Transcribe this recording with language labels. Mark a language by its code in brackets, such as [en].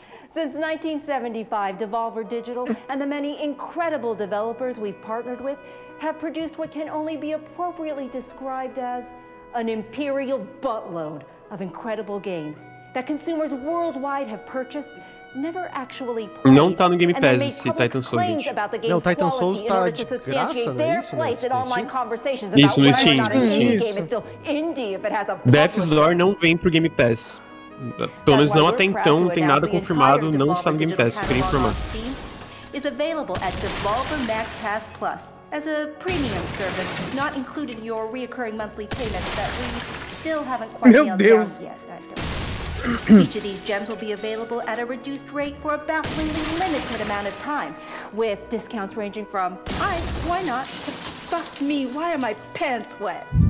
[en] Since 1975, Devolver Digital and the many incredible developers we've partnered with have produced what can only be appropriately described as an imperial buttload of incredible games that consumers worldwide have purchased, never actually played. [pt] Não tá no Game Pass esse Titan Souls, gente. Não, Titan Souls tá de graça, não é isso? Né? Isso, no Steam. Death's Door não vem pro Game Pass. Pelo menos não até então, não tem nada confirmado, não está no Game Pass, eu queria informar. [en] Is available at Devolver Max Pass Plus as a premium service, not included in your reoccurring monthly payments that we still haven't quite nailed down yet. Each of these gems will be available at a reduced rate for a bafflingly limited amount of time, with discounts ranging from I, why not, to fuck me, why are my pants wet?